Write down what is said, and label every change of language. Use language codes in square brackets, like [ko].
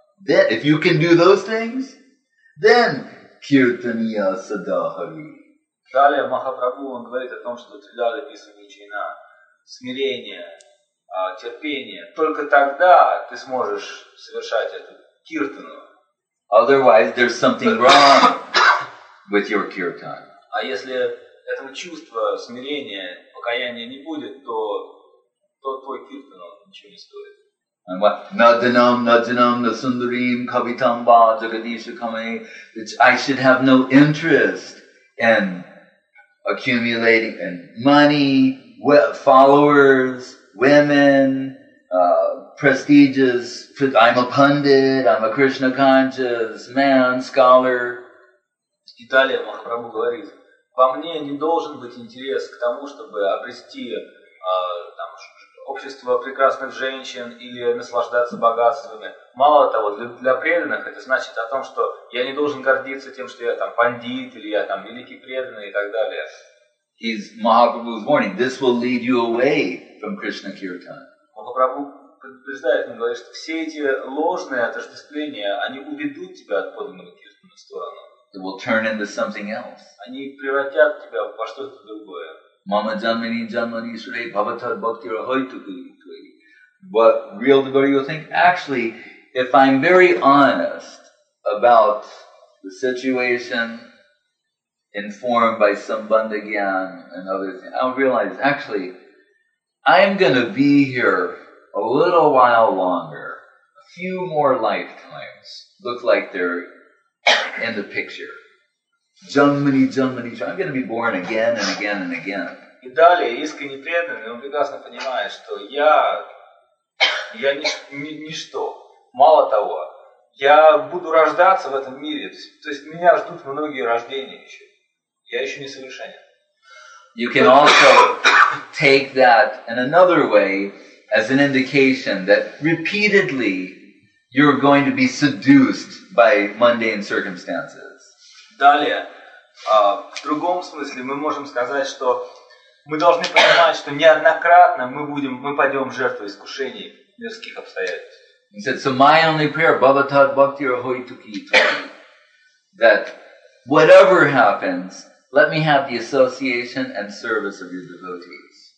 [en] Then, if you can do those things, then [sa] kirtaniya sadahari. [ru] Далее Махапрабху он говорит о том, что [sa] трилярупи санечена, [ru] смирение, терпение. Только тогда ты сможешь совершать эту киртану. [en] Otherwise, there's something wrong with your kirtan. [ru] А если этого чувства смирения, покаяния не будет, то твой киртан ничего не стоит. [en] And what? [sa] Надинам, надинам, насундарим, кавитамба, джагадиша каме. [en] I should have no interest in accumulating in money, followers, women, prestigious. I'm a pundit, I'm a Krishna conscious man, scholar. [ru] И далее Махапрабху говорит, во мне не должен быть интерес к тому, чтобы обрести там, общество прекрасных женщин или наслаждаться богатствами. Мало того, для преданных это значит о том, что я не должен гордиться тем, что я там пандит или я там великий преданный и так далее. [en] He's Mahaprabhu's warning. This will lead you away from Krishna Kirtan. [ru] Махапрабху предупреждает, он говорит, что все эти ложные отождествления, они уведут тебя от подлинного киртана в сторону. [en] It will turn into something else. [ru] Они превратят тебя во что-то другое. [sa] Мама джанмани джанмани шрей бхаватар бхактир ахойтукуи. [en] But real devotee will think, actually, if I'm very honest about the situation informed by sambandhagyan and other things, I'll realize, actually, I'm going to be here a little while longer, a few more lifetimes. Look like they're in the picture. [sa] Jamani, jamani, jamani. [en] I'm going to be born again and again and again. [ru] И далее, искренне преданный, он прекрасно понимает, что я ничто. Мало того, я буду рождаться в этом мире. То есть меня ждут многие рождения еще. Я еще не совершенен. [en] You can also take that in another way as an indication that repeatedly you're going to be seduced by mundane circumstances. [ru] Далее, в другом смысле мы можем сказать, что мы должны понимать, что неоднократно мы падем жертвой искушений мирских обстоятельств. [en] He said, so my only prayer, [sa] bhavatad bhaktir ahoituki, [en] that whatever happens, let me have the association and service of your devotees.